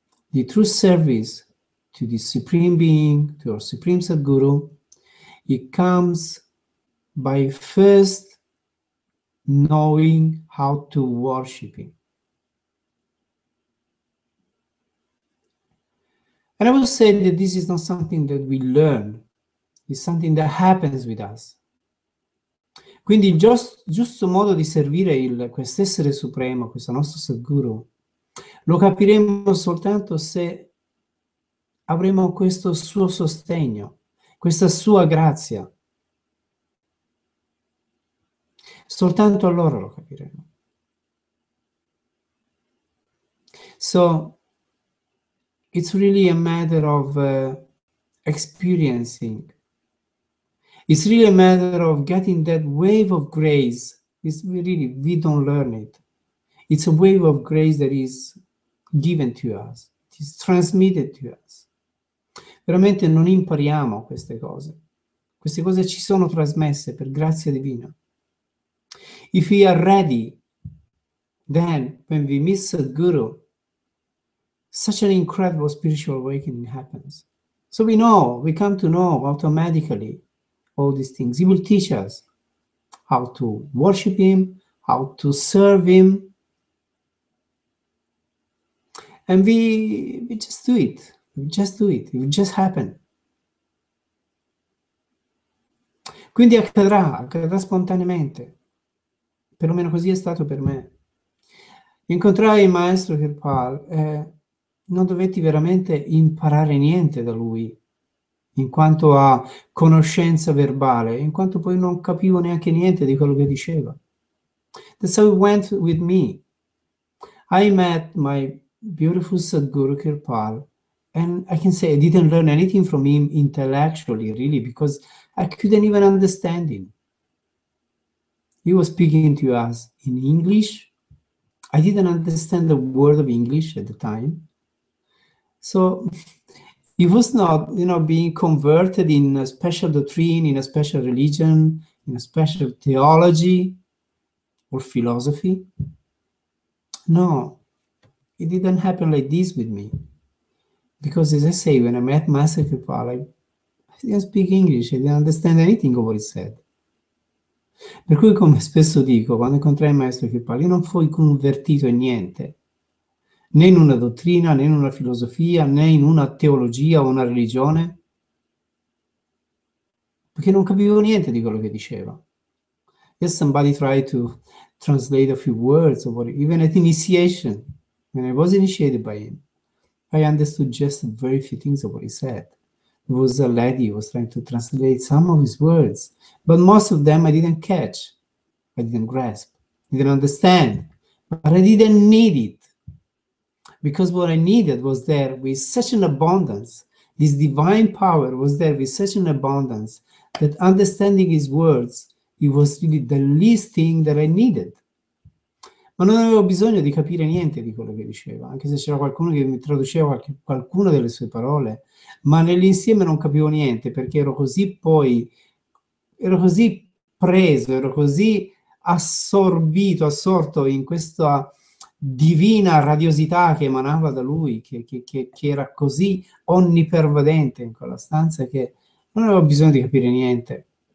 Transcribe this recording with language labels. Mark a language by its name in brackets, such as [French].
[English] The true service to the supreme being, to our supreme Sadguru, it comes by first knowing how to worship him. And I will say that this is not something that we learn, it's something that happens with us. [Italian] Quindi il giusto modo di servire quest'essere supremo, questo nostro Sadguru, lo capiremo soltanto se avremo questo suo sostegno, questa sua grazia. Soltanto allora lo capiremo. [English] So, it's really a matter of experiencing. It's really a matter of getting that wave of grace. It's really, we don't learn it. It's a wave of grace that is given to us. It is transmitted to us. [Italian] Veramente non impariamo queste cose. Queste cose ci sono trasmesse per grazia divina. [English] If we are ready, then when we meet Sadhguru, such an incredible spiritual awakening happens. So we know, we come to know automatically all these things. He will teach us how to worship him, how to serve him. And we just do it. We just do it. It will just happen. [Italian] Quindi accadrà, accadrà spontaneamente. Perlomeno così è stato per me. Incontrai il maestro Kirpal e non dovetti veramente imparare niente da lui in quanto a conoscenza verbale, in quanto poi non capivo neanche niente di quello che diceva. [English] That's how it went with me. I met my beautiful Sadhguru Kirpal and I can say I didn't learn anything from him intellectually, really, because I couldn't even understand him. He was speaking to us in English. I didn't understand the word of English at the time. So he was not, you know, being converted in a special doctrine, in a special religion, in a special theology or philosophy. No, it didn't happen like this with me. Because as I say, when I met Master Kripal, I didn't speak English, I didn't understand anything of what he said. [Italian] Per cui, come spesso dico, quando incontrai il maestro Kirpal, io non fui convertito in niente, né in una dottrina, né in una filosofia, né in una teologia o una religione, perché non capivo niente di quello che diceva. [English] Yes, somebody tried to translate a few words, or whatever, even at initiation, when I was initiated by him, I understood just very few things of what he said. Was a lady who was trying to translate some of his words, but most of them I didn't catch, I didn't grasp, I didn't understand, but I didn't need it, because what I needed was there with such an abundance, his divine power was there with such an abundance, that understanding his words, it was really the least thing that I needed. [Italian] Ma non avevo bisogno di capire niente di quello che diceva, anche se c'era qualcuno che mi traduceva qualcuna delle sue parole, ma nell'insieme non capivo niente perché ero così poi, ero così preso, ero così assorbito, assorto in questa divina radiosità che emanava da lui, che era così onnipervadente in quella stanza, che non avevo bisogno di capire niente.